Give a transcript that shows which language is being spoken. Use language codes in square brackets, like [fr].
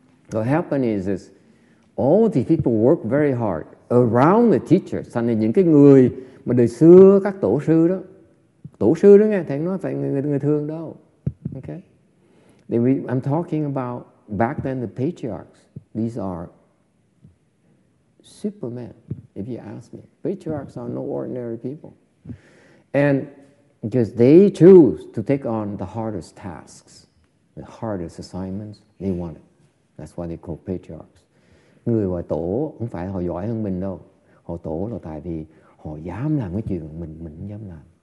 [en] What happened is this, all the people work very hard around the teacher. [vi] Thành là những cái người mà đời xưa các tổ sư đó nghe thầy nói phải người thường đâu. [en] Okay. I'm talking about back then the patriarchs. These are supermen, if you ask me. Patriarchs are no ordinary people. And because they choose to take on the hardest tasks, the hardest assignments, they want it. That's why they call patriarchs. [vi] Người gọi tổ không phải họ giỏi hơn mình đâu. Họ tổ là tại vì họ dám làm cái chuyện mình không dám làm.